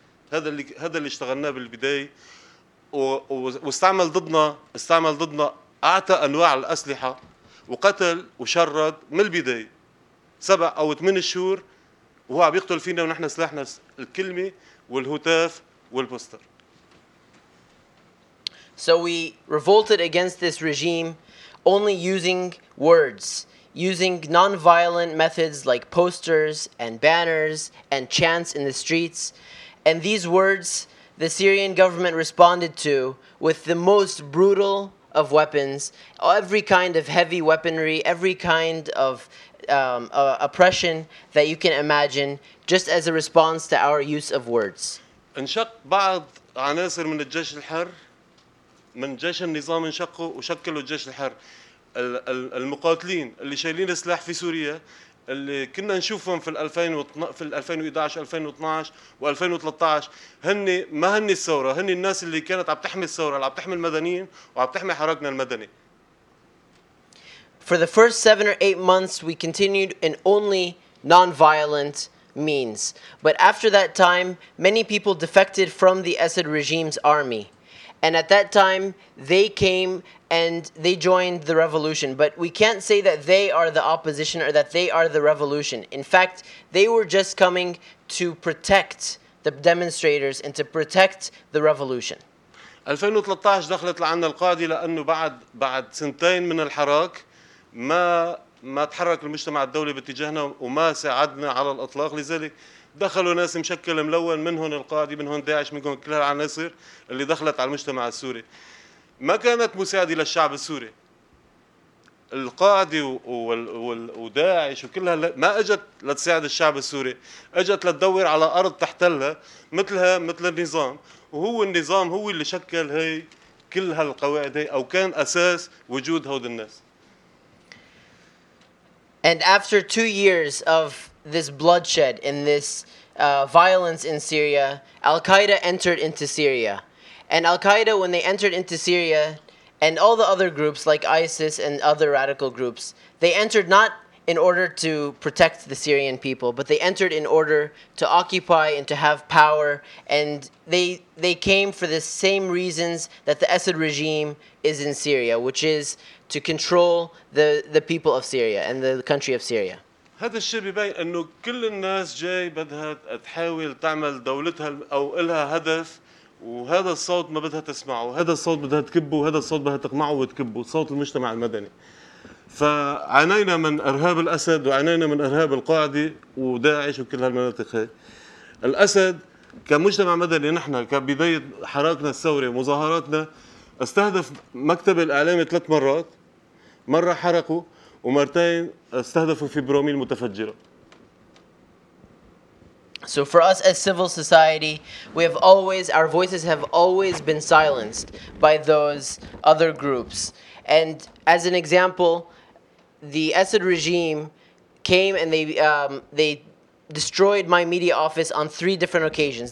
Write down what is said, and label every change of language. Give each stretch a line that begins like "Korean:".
Arabic: هذا اللي اشتغلناه بالبداية واستعمل ضدنا أعتى أنواع الأسلحة وقتل وشرد من البداية 7 أو 8 شهور وهو عم يقتل فينا ونحن سلاحنا الكلمة والهتاف والبوستر.
English: So we revolted against this regime only using words, using non-violent methods like posters and banners and chants in the streets. And these words, the Syrian government responded to with the most brutal of weapons, every kind of heavy weaponry, every kind of oppression that you can imagine, just as a response to our use of words.
Arabic: انشق بعض عناصر من الجيش الحر من جيش النظام انشقوا وشكلوا الجيش الحر المقاتلين اللي شايلين سلاح في سوريا اللي كنا نشوفهم في 2011 2012 و2013 هن ما هن الثورة هن الناس اللي كانت عم تحمي الثورة اللي عم تحمي المدنيين وعم تحمي حركنا المدني.
English: For the first 7 or 8 months, we continued in only non-violent means. But after that time, many people defected from the Assad regime's army. And at that time, they came and they joined the revolution. But we can't say that they are the opposition or that they are the revolution. In fact, they were just coming to protect the demonstrators and to protect the revolution.
Arabic: 2013 دخلت لعنا القاعدة لأنه بعد سنتين من الحراك ما تحرك المجتمع الدولي باتجاهنا وما ساعدنا على الإطلاق لذلك دخلوا ناس مشكل ملون من هون القاعدة من هون داعش من هون كل العناصر اللي دخلت على المجتمع السوري ما كانت مساعدة للشعب السوري القاعدة وداعش وكل ما أجت لتساعد الشعب السوري أجت لتدور على أرض تحتلها مثلها مثل النظام وهو النظام هو اللي شكل هاي كل هالقواعد هاي أو كان أساس وجود هود الناس.
English: And after 2 years of this bloodshed and this violence in Syria, Al-Qaeda entered into Syria. And Al-Qaeda, when they entered into Syria, and all the other groups like ISIS and other radical groups, they entered not in order to protect the Syrian people, but they entered in order to occupy and to have power. And they came for the same reasons that the Assad regime is in Syria, which is to control the people of Syria and the country of Syria.
Arabic: هذا الشيء بيبين انه كل الناس جاي بدها تحاول تعمل دولتها او لها هدف وهذا الصوت ما بدها تسمعه هذا الصوت بدها تكبه وهذا الصوت بدها تقمعه وتكبه صوت المجتمع المدني فعانينا من ارهاب الاسد وعانينا من ارهاب القاعدة وداعش وكل هالمناطق هي الاسد كمجتمع مدني نحن كبداية حراكنا الثوري ومظاهراتنا استهدف مكتب الاعلام 3 مرات مره حرقوا ومرتين استهدفوا في برامين متفجره.
English: So for us as civil society, we have always, our voices have always been silenced by those other groups. And as an example, the Assad regime came and they destroyed my media office on 3 different occasions.